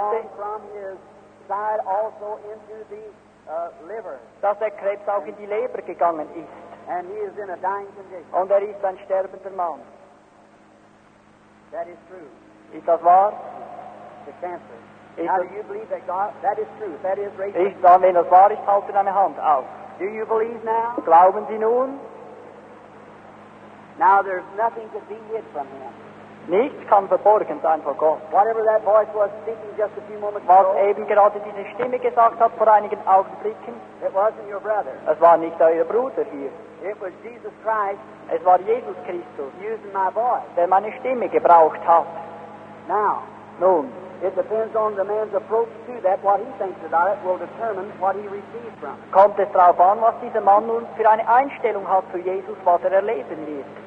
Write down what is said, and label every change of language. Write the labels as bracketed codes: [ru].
[en] has gone from his side also into the liver. [de] Dass der Krebs auch in die Leber gegangen ist. [en] And he is in a dying condition. [de] Und ist ein sterbender Mann. [en] That is true. [de] Ist das wahr? [en] The cancer. Now, do you believe that God, that is true, that is right? [de] Ich sage, wenn das wahr ist, halte deine Hand auf. [en] Do you believe now? [de] Glauben Sie nun? [en] Now there's nothing to be hid from him. [de] Nichts kann verborgen sein vor Gott. [en] Whatever that voice was speaking just a few moments ago. [de] Was eben gerade diese Stimme gesagt hat vor einigen Augenblicken. [en] It wasn't your brother. [de] Es war nicht euer Bruder hier. [en] It was Jesus Christ. [de] Es war Jesus Christus. [en] Using my voice. [de] Der meine Stimme gebraucht hat. [en] Now. [de] Nun. [en] It depends on the man's approach to that. What he thinks about it will determine what he receives from. [de] Kommt es darauf an, was dieser Mann nun für eine Einstellung hat zu Jesus, was erleben wird.